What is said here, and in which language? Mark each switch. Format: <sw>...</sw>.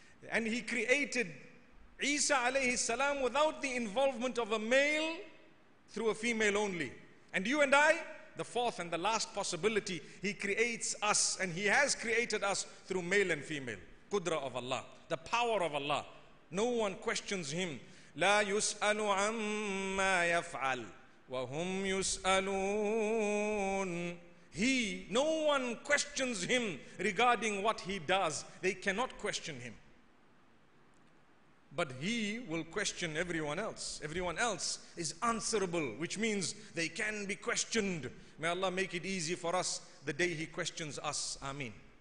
<en>And he created Isa alayhi salam without the involvement of a male through a female only. And you and I, the fourth and the last possibility, he creates us, and he has created us through male and female. Qudra of Allah, the power of Allah. No one questions him.</en> <ar>لا يسأل عما يفعل وهم يسألون.</ar> <en>He, no one questions him regarding what he does. They cannot question him. But he will question everyone else. Everyone else is answerable, which means they can be questioned. May Allah make it easy for us the day he questions us. Ameen.</en>